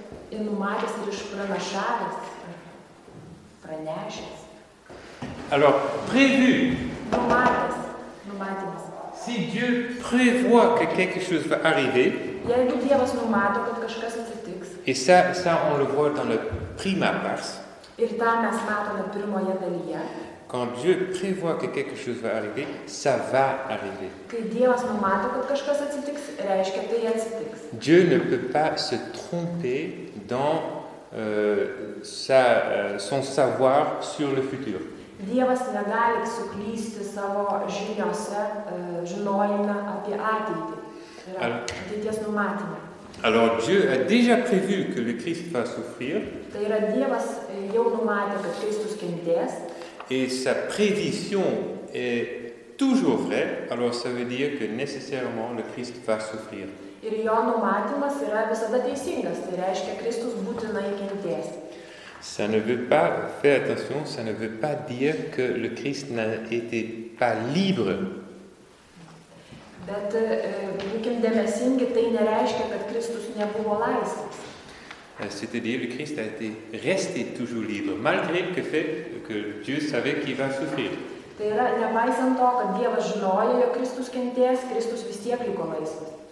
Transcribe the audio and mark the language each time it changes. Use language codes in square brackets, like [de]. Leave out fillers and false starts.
[lt] Ir numatęs ir išpranašavęs, pranešęs. [fr] Alors, prévu. [lt] Numatęs, numatymas. [fr] Si Dieu prévoit que quelque chose va arriver, [lt] jeigu Dievas numato, kad kažkas atsitiks, [fr] et ça on le voit dans le prima pars, [lt] ir tą mes matome pirmoje dalyje, [fr] quand Dieu prévoit que quelque chose va arriver, ça va arriver. [lt] Kai Dievas numato, kad kažkas atsitiks, reiškia, tai atsitiks. [fr] Dieu ne peut pas se tromper dans son savoir sur le futur. [lt] Dievas negali suklysti savo žiniose, žinojime apie ateitį. Ateities numatymą. [fr] Alors Dieu a déjà prévu que le Christ va souffrir. [lt] Tai yra Dievas jau numatė, kad Kristus kentės. [fr] Et sa prédiction est toujours vraie, alors ça veut dire que nécessairement le Christ va souffrir. [lt] Ir jo numatymas yra visada teisingas, tai reiškia, Kristus būtinai kentės. [fr] Ça ne veut pas, fais attention, ça ne veut pas dire que le Christ n'a été pas libre. [lt] Bet, būkim dėmesingi, tai nereiškia, kad Kristus nebuvo laisvas. [fr] C'est-à-dire le Christ a été resté toujours libre malgré le fait que Dieu savait qu'il va souffrir. [lt] Tai yra, nepaisant to, kad Dievas žinojo, jog Kristus kentės, Kristus vis tiek liko laisvas.